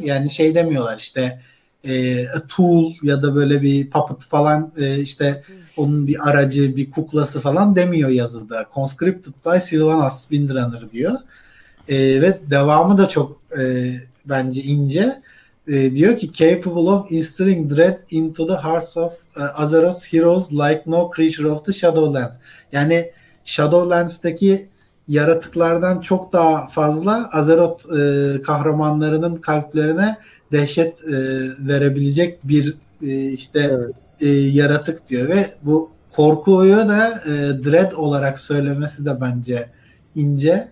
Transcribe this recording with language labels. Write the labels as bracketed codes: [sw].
[tr] Yani şey demiyorlar işte a tool ya da böyle bir puppet falan, işte onun bir aracı, bir kuklası falan demiyor yazıda. Conscripted by Sylvanas Windrunner diyor. Ve devamı da çok bence ince. [en] Diyor ki capable of instilling dread into the hearts of Azeroth's heroes like no creature of the Shadowlands. [tr] Yani Shadowlands'taki yaratıklardan çok daha fazla Azeroth kahramanlarının kalplerine dehşet verebilecek bir işte yaratık diyor. Ve bu korkuyu da dread olarak söylemesi de bence ince.